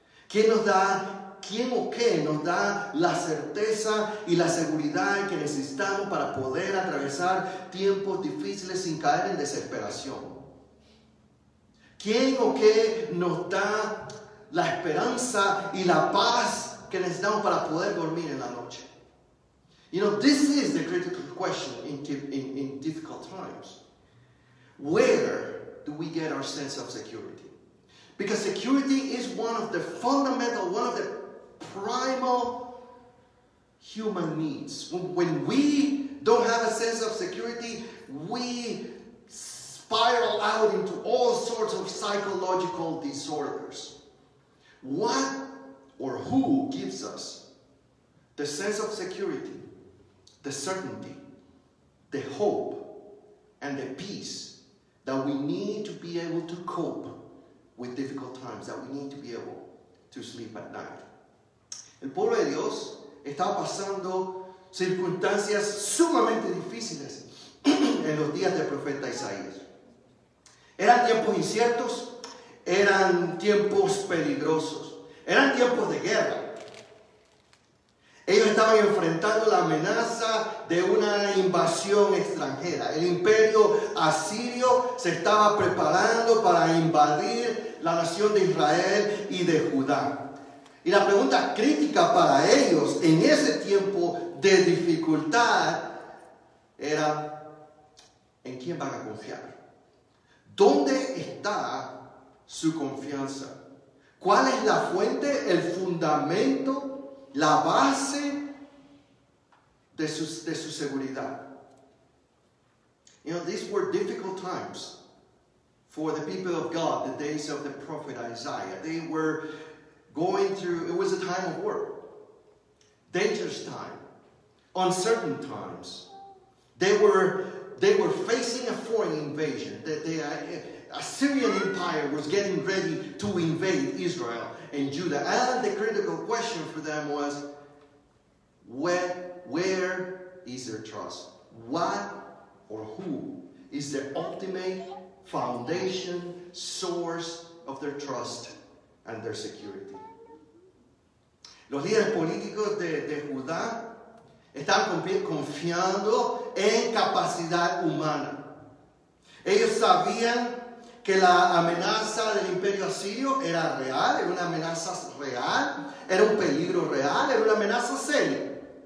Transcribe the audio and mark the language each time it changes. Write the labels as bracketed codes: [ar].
[es] ¿Quién nos da, quién o qué nos da la certeza y la seguridad que necesitamos para poder atravesar tiempos difíciles sin caer en desesperación? ¿Quién o qué nos da la esperanza y la paz que necesitamos para poder dormir en la noche? [en] You know, this is the critical question in difficult times. Where do we get our sense of security? Because security is one of the fundamental, one of the primal human needs. When we don't have a sense of security, we spiral out into all sorts of psychological disorders. What or who gives us the sense of security, the certainty, the hope, and the peace that we need to be able to cope with difficult times, that we need to be able to sleep at night? [es] El pueblo de Dios está pasando circunstancias sumamente difíciles en los días del profeta Isaías. Eran tiempos inciertos, eran tiempos peligrosos. Eran tiempos de guerra. Ellos estaban enfrentando la amenaza de una invasión extranjera. El imperio asirio se estaba preparando para invadir la nación de Israel y de Judá. Y la pregunta crítica para ellos en ese tiempo de dificultad era, ¿En quién van a confiar? ¿Dónde está su confianza? ¿Cuál es la fuente, el fundamento, la base de su seguridad? [en] You know, these were difficult times for the people of God, the days of the prophet Isaiah. They were going through, it was a time of war, dangerous time, uncertain times. They were facing a foreign invasion. A Syrian empire was getting ready to invade Israel and Judah. And the critical question for them was, where is their trust? What or who is the ultimate foundation, source of their trust and their security? [es] Los líderes políticos de Judá están confiando en capacidad humana. Ellos sabían que la amenaza del imperio asirio era real, era una amenaza real, era un peligro real, era una amenaza seria.